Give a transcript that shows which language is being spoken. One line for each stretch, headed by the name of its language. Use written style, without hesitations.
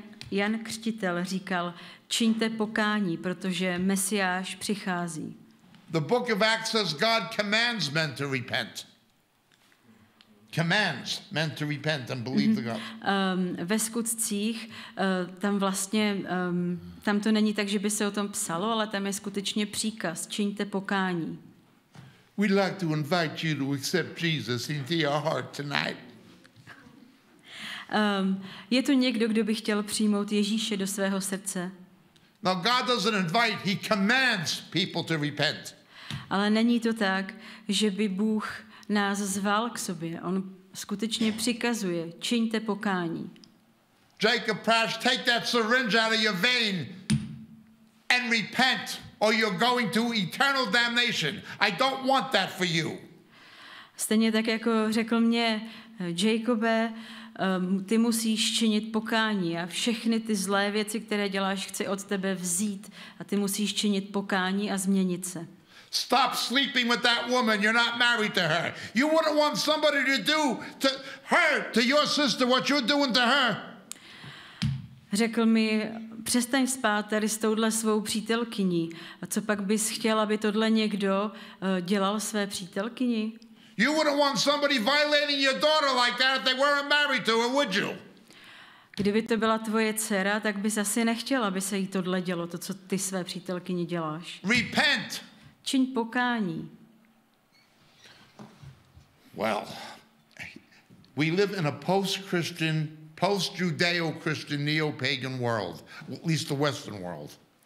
Czech: Jan Křtitel říkal, čiňte pokání, protože Mesiáš přichází.
English: The book of Acts says God commands men to repent. Commands men to repent and believe the gospel.
Czech: Ve Skutcích tam vlastně tam to není tak, že by se o tom psalo, ale tam je skutečně příkaz, čiňte pokání.
English: We'd like to invite you to accept Jesus into your heart tonight.
Czech: Je tu někdo, kdo by chtěl přijmout Ježíše do svého srdce?
English: Now God doesn't invite, he commands people to repent.
Czech: Ale není to tak, že by Bůh nás zval k sobě. On skutečně přikazuje, čiňte pokání.
English: Jacob Prash, take that syringe out of your vein and repent. Or you're going to eternal damnation. I don't want that for you.
Czech: Stejně tak jako řekl mě Jacobe, ty musíš činit pokání a všechny ty zlé věci, které děláš, chci od tebe vzít a ty musíš činit pokání a změnit se.
English: Stop sleeping with that woman. You're not married to her. You wouldn't want somebody to do to her, to your sister, what you're doing to her.
Czech: Řekl mi, přestaň spát tady s touhle svou přítelkyní. A co pak bys chtěl, aby tohle někdo dělal své přítelkyni?
English: You wouldn't want somebody violating your daughter like that if they weren't married to her, would you?
Czech: Kdyby to byla tvoje dcera, tak bys asi nechtěl, aby se jí tohle dělo, to, co ty své přítelkyni děláš.
English: Repent.
Czech: Čiň pokání.
English: Well, we live in a post-Christian post-Judeo-Christian neo-pagan world, at least the Western world.